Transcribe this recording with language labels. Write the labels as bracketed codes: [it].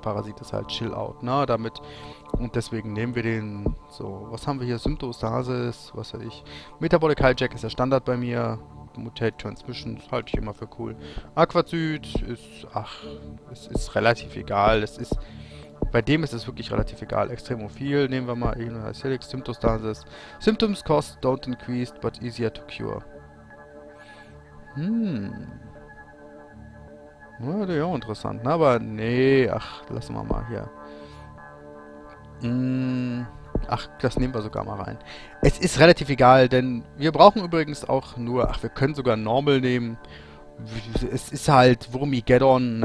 [de] Parasit ist halt Chill-Out, ne? Damit, und deswegen nehmen wir den so. Was haben wir hier? Symptostasis, was weiß ich. Metabolic Hijack ist der Standard bei mir. Mutate Transmission halte ich immer für cool. Aquazyt ist, ach, es ist relativ egal. Es ist, bei dem ist es wirklich relativ egal. Extremophil nehmen wir mal. Helix, Symptostasis. [en] Symptoms cost don't increase, but easier to cure. [de] Ja, das ist auch interessant. Na, aber nee, ach, lassen wir mal hier. Ach, das nehmen wir sogar mal rein. Es ist relativ egal, denn wir brauchen übrigens auch nur... Ach, wir können sogar Normal nehmen. Es ist halt Wurmigeddon.